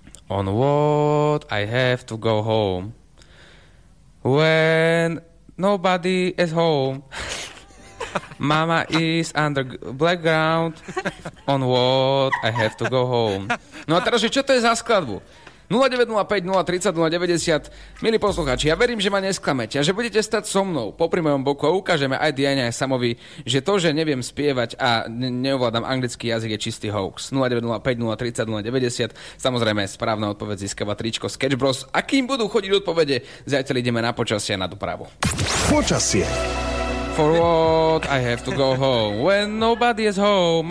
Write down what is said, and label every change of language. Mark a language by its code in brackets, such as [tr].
[en] On what I have to go home when nobody is home. Mama is under black ground. On what I have to go home. [sk] No a teraz, čo to je za skladbu? 0905 030 090. Milí poslucháči, ja verím, že ma nesklamete a že budete stať so mnou popri mojom boku a ukážeme aj Diane, aj Samovi, že to, že neviem spievať a neovládam anglický jazyk, je čistý hoax. 0905 030 090. Samozrejme, správna odpoveď získava tričko Sketch Bros. A kým budú chodiť odpovede, zajtra ideme na počasie a na dopravu. Počasie. [en] For what I have to go home when nobody is home.